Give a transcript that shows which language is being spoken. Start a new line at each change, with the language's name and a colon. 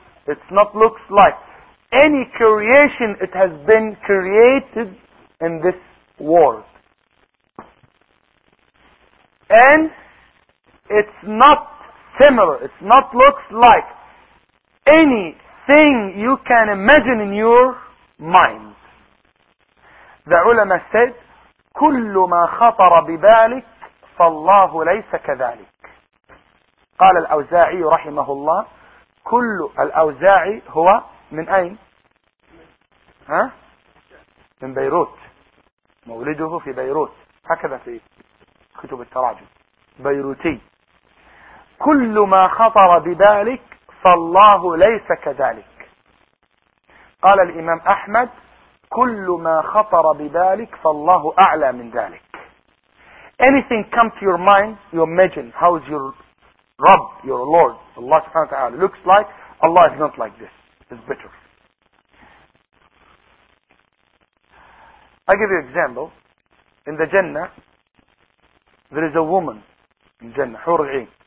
English: It's not looks like. Any creation, it has been created in this world. And it's not similar. It's not looks like anything you can imagine in your mind. The ulama said,
Arabic: كُلُّ مَا خَطَرَ بِبَالِكَ فَاللَّهُ لَيْسَ كَذَلِكَ. قال الأوزاعي رحمه الله, كل الأوزاعي هو من أين؟ ها؟ من بيروت. مولده في بيروت, هكذا في كتب التراجم, بيروتي. كل ما خطر ببالك فالله ليس كذلك. قال الإمام أحمد, كل ما خطر ببالك فالله أعلى من ذلك.
English: Anything come to your mind, you imagine how is your Rabb, your Lord, Allah subhanahu wa ta'ala looks like, Allah is not like this, it's better. I give you an example. In the Jannah, there is a woman in Jannah, Hur'in.